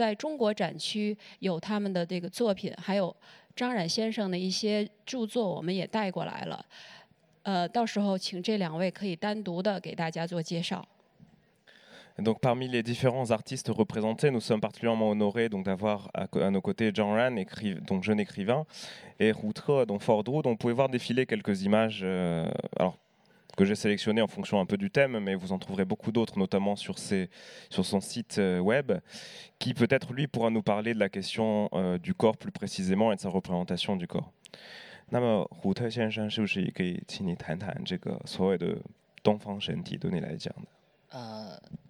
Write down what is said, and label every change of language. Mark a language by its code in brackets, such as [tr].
[zh] 那我们这次非常荣幸呢，也请到了我们中国在科幻界非常知名的著名作家张冉和我们中国科幻圈里面科幻影视圈里面，怎么讲呢？蜚声国际的一位世界级的这个艺术大师胡特。那么他呢，他们的作品呢，其实可能大家并不了解，但是我们今天在中国展区有他们的这个作品，还有 张冉先生的一些著作，我们也带过来了。到时候请这两位可以单独的给大家做介绍。 [fr] Donc, parmi les différents artistes représentés, nous sommes particulièrement honorés donc, d'avoir à nos côtés Zhang Ran, donc jeune écrivain, et Houtre, donc Ford Wood. On pouvait voir défiler quelques images que j'ai sélectionnées en fonction un peu du thème, mais vous en trouverez beaucoup d'autres, notamment sur son site web, qui peut-être lui pourra nous parler de la question du corps plus précisément et de sa représentation du corps. [zh] 那么，胡特先生是不是也可以请你谈谈这个所谓的东方身体，对你来讲的？